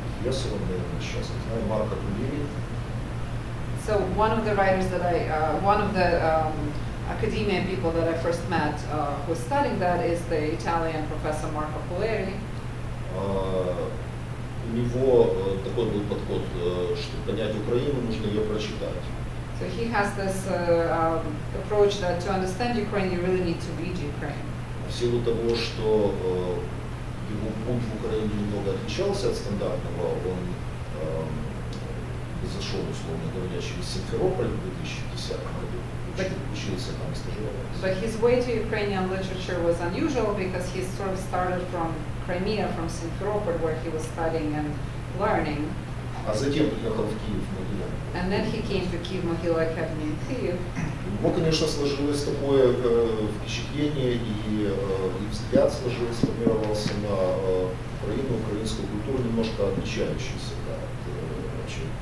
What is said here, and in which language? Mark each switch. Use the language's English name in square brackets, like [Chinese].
[English] So one of the writers that I, one of the academia people that I first met who was studying that is the Italian professor Marco Pulieri. [Russian] У него такой был подход, чтобы понять Украину, нужно ее прочитать. [English] So he has this approach that to understand Ukraine, you really need to read Ukraine. [Russian] В силу того, что его путь в Украине немного отличался от стандартного, он зашел, условно говоря, через Симферополь в 2010 году, учился там, стажировался. [English] But his way to Ukrainian literature was unusual, because he sort of started from Crimea, from Simferopol, where he was studying and learning. [Russian] А затем приехал в Киев Могила. [English] And then he came to Kyiv Mohyla Academy in Kyiv. [Russian] Ну, конечно, сложилось такое впечатление, и взгляд сложился, сформировался на Украину, украинскую культуру, немножко отличающуюся, да, от